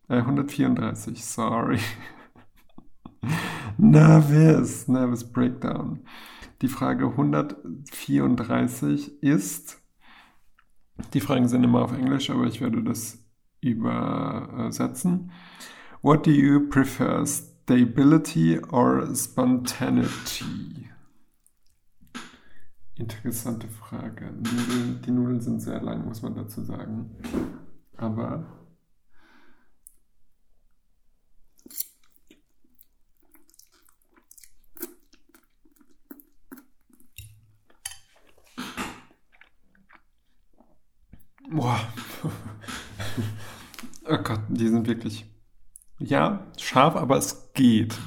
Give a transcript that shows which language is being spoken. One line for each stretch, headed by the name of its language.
English: 134, sorry. Nervous Breakdown.
German: Die Frage 134 ist, die Fragen sind immer auf Englisch, aber ich werde das übersetzen.
English: What do you prefer, stability or spontaneity?
German: Interessante Frage. Die Nudeln sind sehr lang, muss man dazu sagen. Aber Gott, die sind wirklich, ja, scharf, aber es geht.